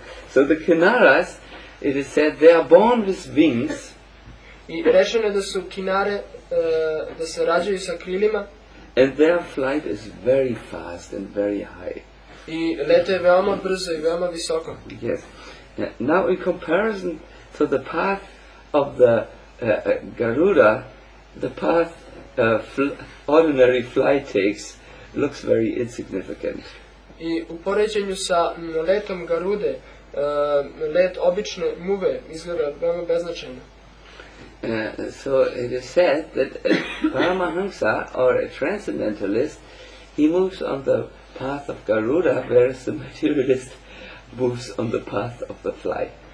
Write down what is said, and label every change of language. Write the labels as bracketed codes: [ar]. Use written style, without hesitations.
[en] So the Kinaras, it is said, they are born with wings. [sr] I rečeno da su Kinare, da se rađaju sa krilima. [en] And their flight is very fast and very high. [sr] I lete veoma brzo i veoma visoko. [en] Yes. Now in comparison to the path of the Garuda, the path ordinary fly takes looks very insignificant. [sr] I u poređenju sa letom Garude, let obične muve izgleda veoma beznačajno. [en] So it is said that Paramahamsa, or a transcendentalist, he moves on the path of Garuda, whereas the materialist moves on the path of the fly.